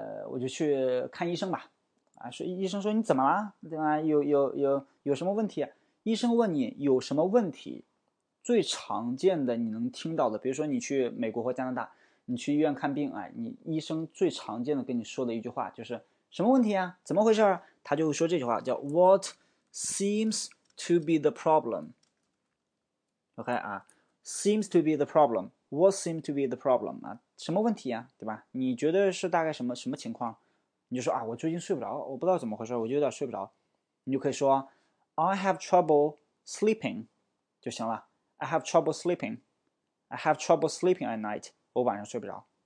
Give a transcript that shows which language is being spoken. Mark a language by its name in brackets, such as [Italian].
[Chinese] 我就去看医生吧。啊，说医生说你怎么了？对吧？有什么问题？医生问你有什么问题？最常见的你能听到的，比如说你去美国或加拿大，你去医院看病，哎，你医生最常见的跟你说的一句话就是什么问题啊？怎么回事啊？他就会说这句话，叫 [English] "What seems to be the problem？"OK 啊，"seems to be the problem"，"What seems to be the problem？" [Chinese] 啊，什么问题啊？对吧？你觉得是大概什么情况？你就说啊，我最近睡不着，我不知道怎么回事，我就有点睡不着。你就可以说 [English] "I have trouble sleeping" [Chinese] 就行了。 [English] "I have trouble sleeping," "I have trouble sleeping at night." [Chinese] 我晚上睡不着。